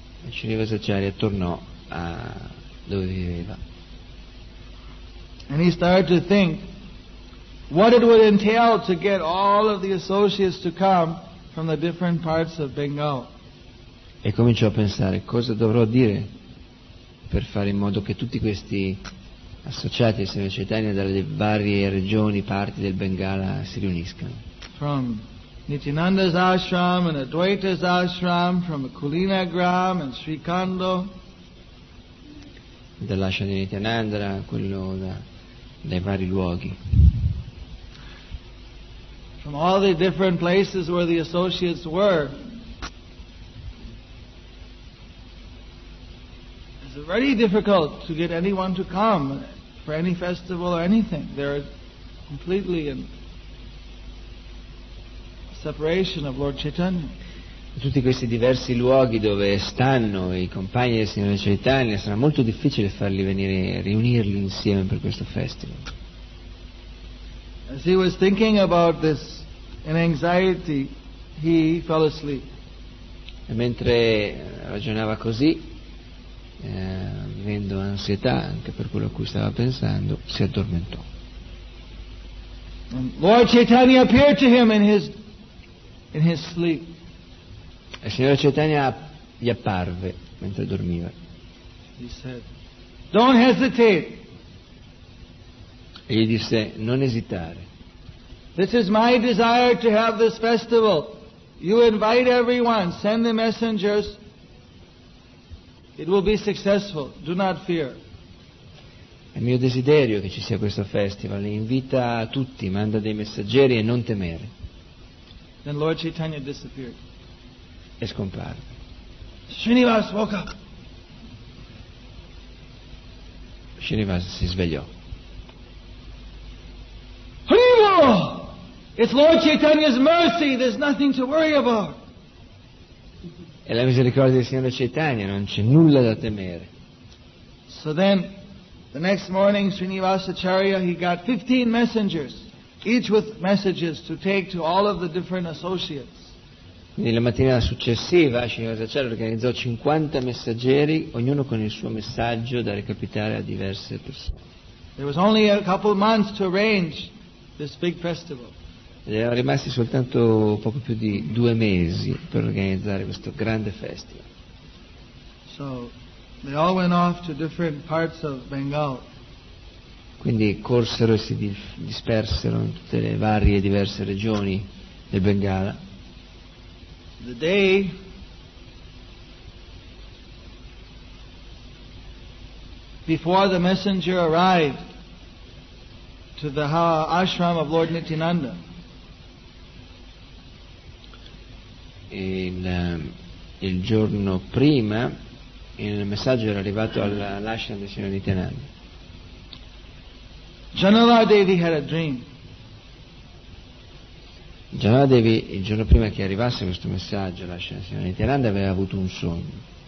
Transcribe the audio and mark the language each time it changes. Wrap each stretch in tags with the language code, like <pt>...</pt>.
<it>Srinivas Acharya tornò a dove viveva.</it> <en>And he started to think what it would entail to get all of the associates to come from the different parts of Bengal.</en> <it>E cominciò a pensare cosa dovrò dire per fare in modo che tutti questi associati del Signore Chaitanya dalle varie regioni, parti del Bengala si riuniscano.</it> <en>From Nityananda's ashram and Advaita's ashram, from Kulinagram and Sri Kando.</en> <it>Dall'ashram di Nityananda, quello da, dai vari luoghi.</it> <en>From all the different places where the associates were. It's very difficult to get anyone to come for any festival or anything. They're completely in separation of Lord Chaitanya.</en> <it>Tutti questi diversi luoghi dove stanno i compagni del Signore Chaitanya, sarà molto difficile farli venire, riunirli insieme per questo festival.</it> <en>As he was thinking about this in anxiety, he fell asleep.</en> <it>E mentre ragionava così, avendo ansietà anche per quello a cui stava pensando, si addormentò.</it> <en>And Lord Chaitanya appeared to him in his sleep.</en> <it>Il Signore Chaitanya gli apparve mentre dormiva.</it> <en>He said, "Don't hesitate."</en> <it>E gli disse: "Non esitare."</it> <en>"This is my desire to have this festival. You invite everyone, send the messengers. It will be successful. Do not fear."</en> <it>È mio desiderio che ci sia questo festival. Invita tutti, manda dei messaggeri e non temere.</it> <en>Then Lord Chaitanya disappeared.</en> <it>È scomparso.</it> <en>Srinivas woke up.</en> <it>Srinivas si svegliò.</it> <en>"Hari Bol! It's Lord Chaitanya's mercy. There's nothing to worry about."</en> <it>È la misericordia del Signore Chaitanya, non c'è nulla da temere.</it> <en>So then, the next morning, Srinivasacharya, he got 15 messengers, each with messages to take to all of the different associates.</en> <it>Quindi la mattina successiva, Srinivasacharya organizzò 50 messaggeri, ognuno con il suo messaggio da recapitare a diverse persone.</it> <en>There was only a couple months to arrange this big festival.</en> <it>Gli erano rimasti soltanto poco più di due mesi per organizzare questo grande festival.</it> <en>So, they all went off to different parts of Bengal.</en> <it>Quindi corsero e si dispersero in tutte le varie diverse regioni del Bengala.</it> <en>The day before the messenger arrived to the ashram of Lord Nityananda.</en> <it>Il giorno prima il messaggio era arrivato all'ashram del Signore Nityananda.</it> <en>Janala Devi had a dream.</en> <it>Janala Devi, il giorno prima che arrivasse questo messaggio all'ashram del Signore Nityananda, aveva avuto un sogno.</it>